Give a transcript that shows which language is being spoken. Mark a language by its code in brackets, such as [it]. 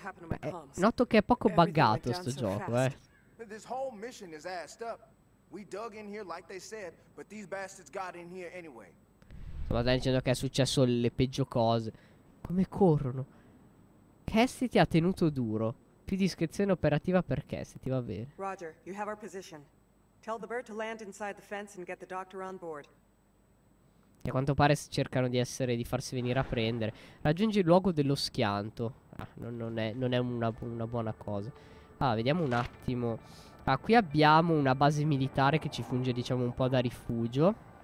[it] Beh, noto che è poco buggato sto gioco, [en] This whole mission is assed up. We dug in here like they said, but these bastards got in here anyway. [it] Stava dicendo che è successo le peggio cose. Come corrono? Cassie ti ha tenuto duro. Più discrezione operativa per Cassie, ti va bene. [en] Roger, you have our position. Tell the bird to land inside the fence and get the doctor on board. [it] E a quanto pare cercano di essere, di farsi venire a prendere. Raggiungi il luogo dello schianto. Ah, non è una buona cosa. Ah, vediamo un attimo. Ah, qui abbiamo una base militare che ci funge, diciamo, un po' da rifugio.